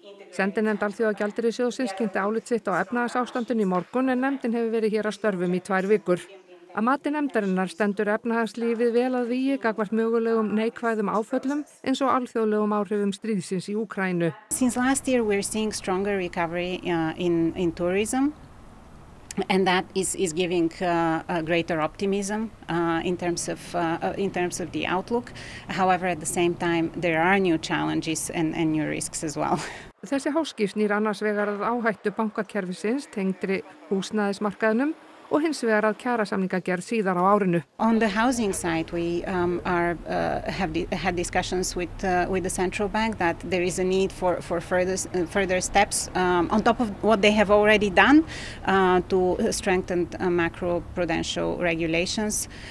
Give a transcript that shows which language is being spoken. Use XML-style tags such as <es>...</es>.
<is>Sendinefnd Alþjóðagjaldeyrissjóðsins kynnti álit sitt á efnahagsástandinu í morgun en nefndin hefur verið hér að störfum í 2 vikur. Að mati nefndarinnar stendur efnahagslífið vel að vígi gagnvart mögulegum neikvæðum áföllum eins og alþjóðlegum áhrifum stríðsins í Úkraínu.</is> <en>Since last year we're seeing stronger recovery in tourism. And that is giving a greater optimism in terms of the outlook. However, at the same time, there are new challenges and new risks as well.</en> <is>Þessi háski snýr annars vegar að áhættu bankakerfisins tengdri húsnæðismarkaðnum og hins vegar að kjarasamninga gerð síðar á árinu.</is> <en>On the housing side we have had discussions with the central bank that there is a need for further steps on top of what they have already done to strengthen macro prudential regulations.</en>